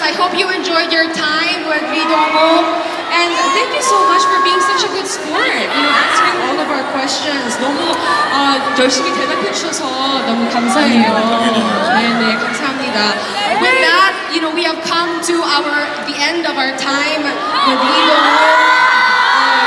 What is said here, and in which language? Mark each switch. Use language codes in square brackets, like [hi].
[en] I hope you enjoyed your time with me, Dong Wook. And thank you so much for being such a good sport. You know, answering all of our questions. [ko] 너무 열심히 대답해 주셔서 너무 감사해요. 네, 감사합니다. [en] With that, you know, we have come to the end of our time with me, Dong Wook.